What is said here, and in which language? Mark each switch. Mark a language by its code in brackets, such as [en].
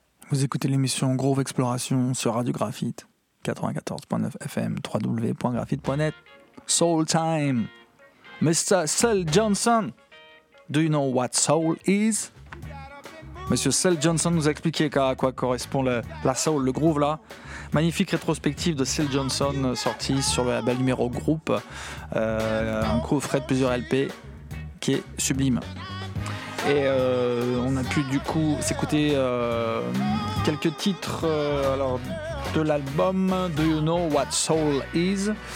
[fr] Vous écoutez l'émission Groove Exploration sur Radio Graphite, 94.9 FM, www.graphite.net. [en] Soul time. Mr. Sel Johnson, do you know what soul is? [fr] Monsieur Sel Johnson nous a expliqué à quoi correspond la soul, le groove là. Magnifique rétrospective de Sel Johnson sortie sur le label numéro groupe, un coffret de plusieurs LP qui est sublime. Et on a pu du coup s'écouter quelques titres alors, de l'album Do You Know What Soul Is.